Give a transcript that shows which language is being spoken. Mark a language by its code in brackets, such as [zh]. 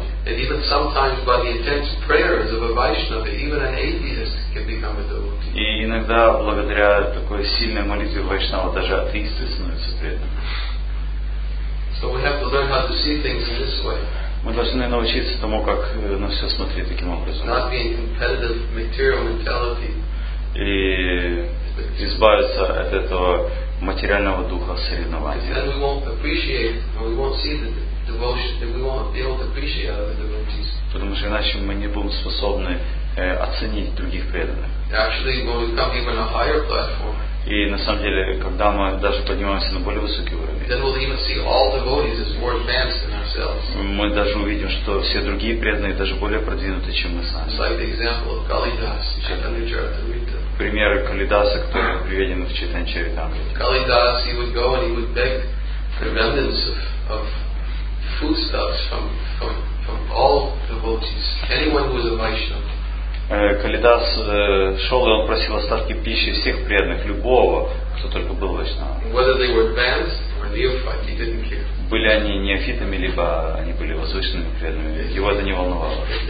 [en] And even sometimes by the intense prayers of a Vaishnava, even an atheist can become a devotee. [ru] И иногда благодаря такой сильной молитве Вайшнава даже атеисты становятся преданными. [en] So we have to learn how to see things in this way. [ru] Мы должны научиться тому, как на все смотреть таким образом. [en] Not being competitive material mentality. [ru] И избавиться от этого материального духа соревнования. [en] Then we won't appreciate, or we won't see that. [ru] Потому что иначе мы не будем способны оценить других преданных. [en] Actually, when we come even a higher platform, [ru] и на самом деле, когда мы даже поднимаемся на более высокий уровень, [en] then we'll even see all devotees as more advanced than ourselves. [ru] Мы даже увидим, что все другие преданные даже более продвинуты, чем мы сами. [en] Like the example of Kalidas, Chaitanya Charitamrita. [ru] примеры Калидаса, которые приведены в Чайтанья-чаритамрите. [en] Калидас, he would go and he would beg for remnants of foodstuffs from all devotees, anyone who was a Vaishnava. [ru] Калидас шел и он просил остатки пищи всех преданных, любого, кто только был Вайшнава. [en] Whether they were bands or neophytes, he didn't care. [ru] Были они неофитами, либо они были возвышенными преданными. Его это не волновало.